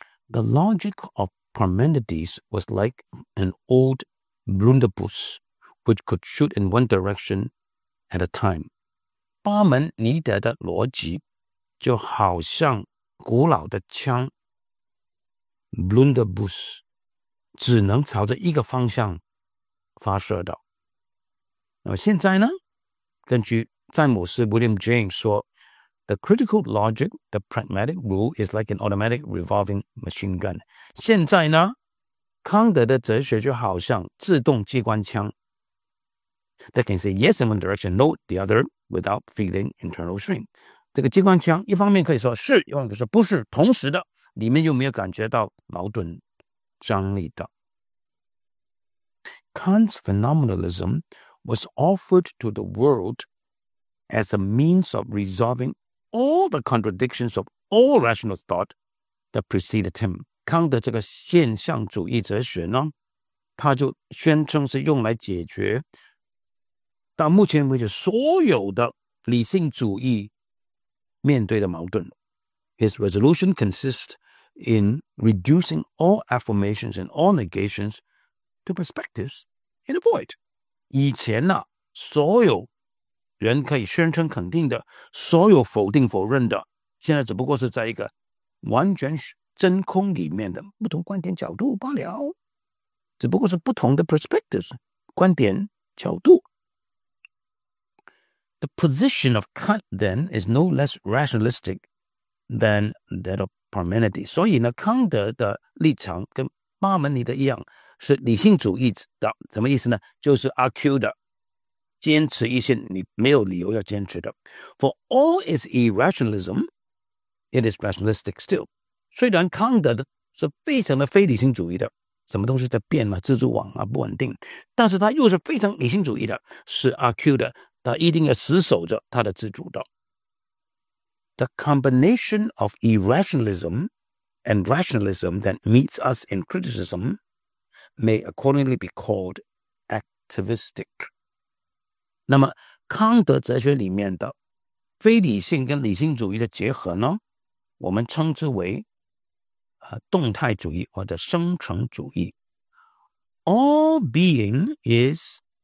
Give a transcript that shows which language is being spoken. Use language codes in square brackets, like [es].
[en] The logic of Parmenides was like an old blunderbuss, which could shoot in one direction at a time. [zh] 巴门尼德的逻辑就好像古老的枪 blunderbuss, 只能朝着一个方向发射的。那么现在呢，根据詹姆斯 [en] William James 说 The critical logic, the pragmatic rule is like an automatic revolving machine gun. [zh] 现在呢，康德的哲学就好像自动机关枪 [en] that can say yes in one direction, no the other without feeling internal shrink. [zh] 这个机关枪一方面可以说是，一方面说不是，同时的里面又没有感觉到矛盾张力的。 [en] Kant's phenomenalism was offered to the worldas a means of resolving all the contradictions of all rational thought that preceded him. [zh] 康德这个现象主义哲学呢，他就宣称是用来解决到目前为止所有的理性主义面对的矛盾。 [en] His resolution consists in reducing all affirmations and all negations to perspectives in a void. [zh] 以前呢，所有人可以宣称肯定的所有否定否认的，现在只不过是在一个完全真空里面的不同观点角度罢了，只不过是不同的 perspectives 观点角度。 [en] The position of Kant then is no less rationalistic than that of Parmenides. [zh] 所以呢，康德的立场跟巴门尼德一样是理性主义的。什么意思呢？就是阿 Q 的坚持一些你没有理由要坚持的。 [en] For all its irrationalism, it is rationalistic still. [zh] 虽然康德是非常的非理性主义的，什么东西在变嘛，蜘蛛网啊，不稳定，但是他又是非常理性主义的，是阿 Q 的，他一定要死守着他的自主的。 [en] The combination of irrationalism and rationalism that meets us in criticism may accordingly be called activistic. [zh] 那么康德哲学里面的非理性跟理性主义的结合呢，我们称之为动态主义或者生成主义。 [en] All being is